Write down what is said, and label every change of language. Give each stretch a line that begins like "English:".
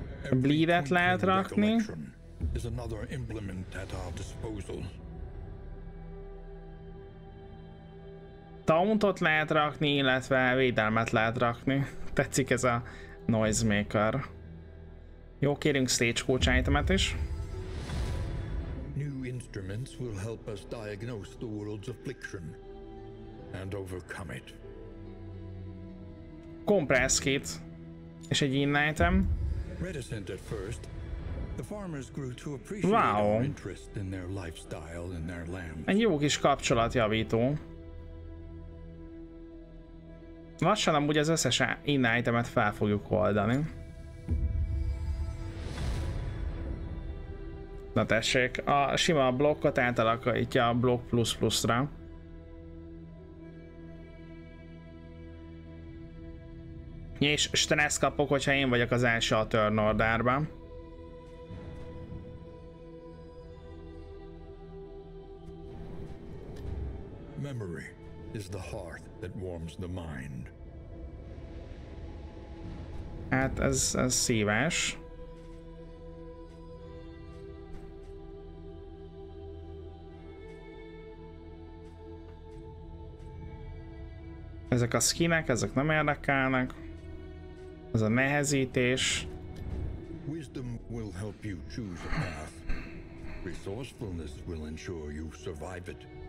Hungarian: Bleed-et lehet rakni.
English: Is another implement at our disposal.
Hungarian: Taunt-ot lehet rakni, illetve védelmet lehet rakni. Tetszik ez a noisemaker. Jó, kérünk stage coach itemet is.
English: New instruments will help us diagnose the world's affliction and overcome it. Compress kit.
Hungarian: És egy in item.
English: Reticent at first. The farmers grew to appreciate our interest in their lifestyle and their land.
Hungarian: Egy jó kis kapcsolatjavító. Lassan amúgy az összes in itemet fel fogjuk oldani. Na tessék, a sima blokkot átalakítja a blokk plusz pluszra. És stressz kapok, hogyha én vagyok az első a turn order-ben.
English: Memory is the heart that warms the mind.
Hungarian: Hát ez szíves. Ezek a skinek, ezek nem érdekelnek. Ez a nehezítés.
English: Wisdom will help you choose a path. Resourcefulness will ensure you survive it.